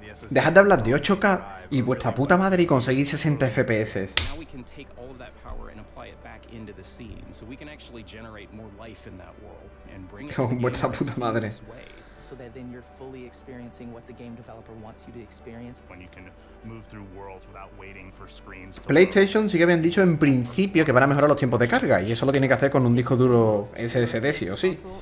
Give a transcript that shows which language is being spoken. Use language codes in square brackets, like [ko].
[es] Dejad de hablar de 8K y vuestra puta madre y conseguir 60 FPS. [en] Now we can take all that power and apply it back into the scene, so we can actually generate more life in that world and bring it to the way, so that then you're fully experiencing what the game developer wants you to experience. When you can move through worlds without waiting for screens. [es] PlayStation sí que habían dicho en principio que van a mejorar los tiempos de carga y eso lo tiene que hacer con un disco duro SSD, sí o sí.